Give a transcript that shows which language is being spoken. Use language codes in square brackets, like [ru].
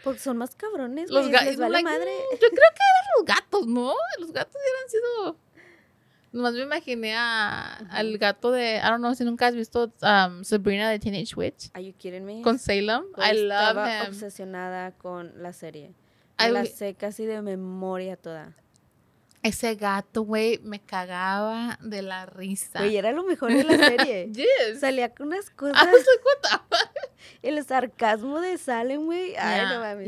[es] Porque son más cabrones. Los gatos, vale, [en] like, [es] madre. Yo creo que eran los gatos, ¿no? Los gatos hubieran sido. Nomás me imaginé al gato de. [en] I don't know [es] si nunca has visto Sabrina de Teenage Witch. [en] Are you kidding me? [es] Con Salem. Pues [en] I love him. [es] Estaba obsesionada con la serie. La sé casi de memoria toda. Ese gato, güey, me cagaba de la risa. Güey, era lo mejor de la serie. [en] Yes. [es] Salía con unas cosas. Ah, se cuenta. el sarcasmo de Salem, güey. Ay, [en] yeah, [es] no mames.